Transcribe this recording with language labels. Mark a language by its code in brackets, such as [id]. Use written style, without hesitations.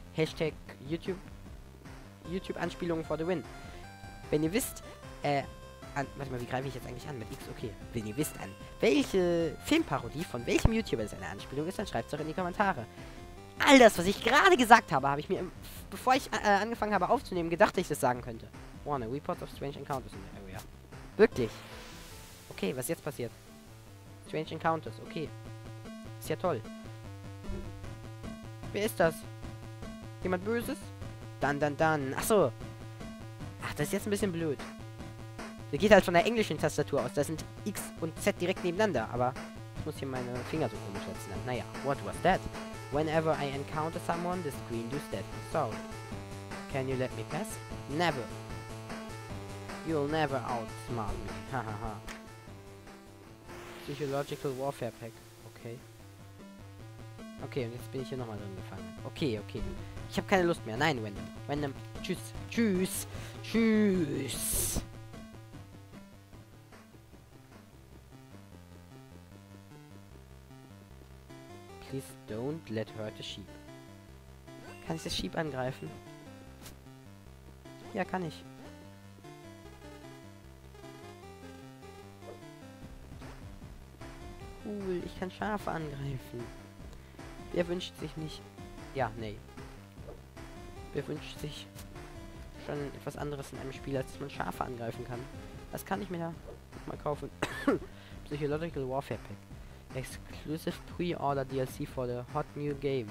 [de] Hashtag YouTube Anspielungen [en] for the win. [de] Wenn ihr wisst, warte mal, wie greife ich jetzt eigentlich an? Mit X, okay. Wenn ihr wisst, an welche Filmparodie von welchem YouTuber es eine Anspielung ist, dann schreibt es doch in die Kommentare. All das, was ich gerade gesagt habe, habe ich mir, bevor ich angefangen habe aufzunehmen, gedacht, dass ich das sagen könnte. [en] Warner, Report of Strange Encounters in the area. [de] Wirklich? Okay, was jetzt passiert? Strange Encounters, okay. Ist ja toll. Wer ist das? Jemand Böses? Dann. Achso. Ach, das ist jetzt ein bisschen blöd. Das geht halt von der englischen Tastatur aus. Da sind X und Z direkt nebeneinander. Aber ich muss hier meine Finger so komisch setzen. [en] Naja, what was that? Whenever I encounter someone, the screen does that. So, can you let me pass? Never. You'll never outsmart me. Hahaha. Psychological Warfare Pack. Okay. [de] Okay, und jetzt bin ich hier nochmal drin gefangen. Okay. Ich habe keine Lust mehr. Nein, random. Random. Tschüss. [en] Please don't let hurt the sheep. [de] Kann ich das Sheep angreifen? Ja, kann ich. Cool, ich kann Schafe angreifen. Wer wünscht sich nicht... Ja, nee. Wer wünscht sich schon etwas anderes in einem Spiel, als dass man Schafe angreifen kann? Was kann ich mir da mal kaufen? Psychological Warfare Pack. [en] Exclusive pre-order DLC for the hot new game.